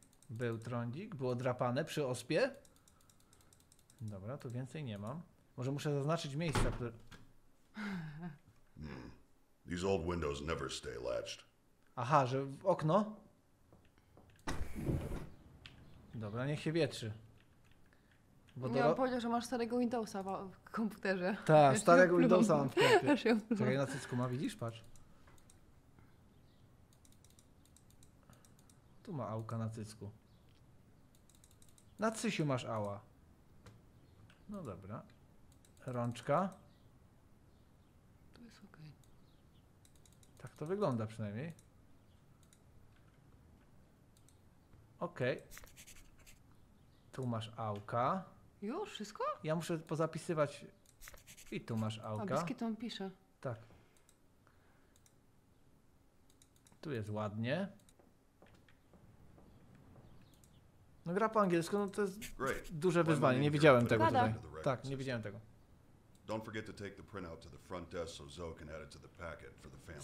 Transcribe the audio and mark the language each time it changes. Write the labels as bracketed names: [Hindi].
[Polish] Był trądzik, było drapane przy ospie. Dobra, tu więcej nie mam. Może muszę zaznaczyć miejsca, które... [English] These old windows never stay latched. [Polish] Aha, że w okno? Dobra, niech się wietrzy. Bo nie, on powiedział, że masz starego Windowsa w komputerze. Tak, starego Windowsa mam w komputerze. Czekaj, na cycku ma, widzisz, patrz. Tu ma ałka na cycku. Na cysiu masz ała. No dobra. Rączka. To jest okej. Tak to wygląda przynajmniej. Okej. Tu masz ałka. Już? Wszystko? Ja muszę pozapisywać. I tu masz ałka. A biskietą pisze. Tak. Tu jest ładnie. No gra po angielsku, no to jest duże wyzwanie. Nie widziałem tego tutaj. Tak, nie widziałem tego. [English] Don't forget to take the printout to the front desk so Zoe can add it to the packet for the family.